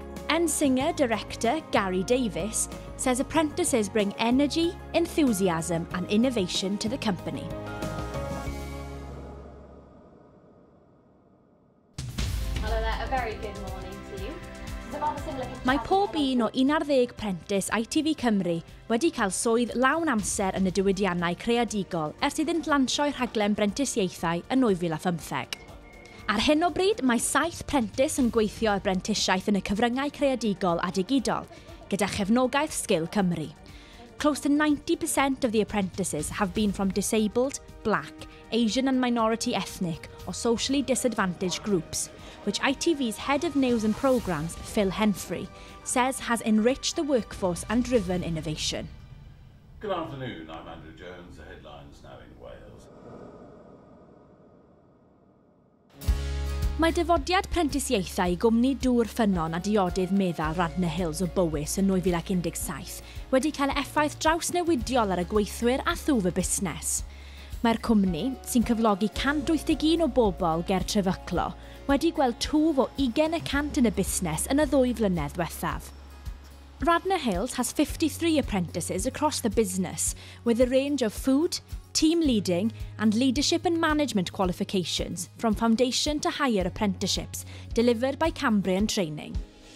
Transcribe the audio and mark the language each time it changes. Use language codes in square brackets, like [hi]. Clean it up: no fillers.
[en] Ensinger director Gary Davis says apprentices bring energy, enthusiasm and innovation to the company. Hello there, a very good morning to you. [cy] Mae pob un o 11 prentis ITV Cymru wedi cael swydd lawn amser yn y diwydiannau creadigol ers iddynt lansio'u rhaglen brentisiaethau yn 2015. Ar hyn o bryd, mae 7 prentis yn gweithio y brentisiaeth yn y cyfryngau creadigol a digidol, gyda chefnogaeth Sgil Cymru. [en] Close to 90% of the apprentices have been from disabled, black, Asian and minority ethnic or socially disadvantaged groups, which ITV's Head of News and Programmes, Phil Henfrey, says has enriched the workforce and driven innovation. Good afternoon, I'm Andrew Jones, the headlines now in Wales. [cy] Mae dyfodiad prentisiaethau i gwmni dŵr ffynnon a diodydd meddal Radnor Hills o Bowys yn 2017 wedi cael effaith drawsnewidiol ar y gweithwyr a thwf y busnes. Mae'r cwmni, sy'n cyflogi 181 o bobl ger trefyclo, wedi gweld twf o 20% yn y busnes yn y 2 flynedd diwethaf. [en] Radnor Hills has 53 apprentices across the business with a range of food, team leading and leadership and management qualifications from foundation to higher apprenticeships delivered by Cambrian Training.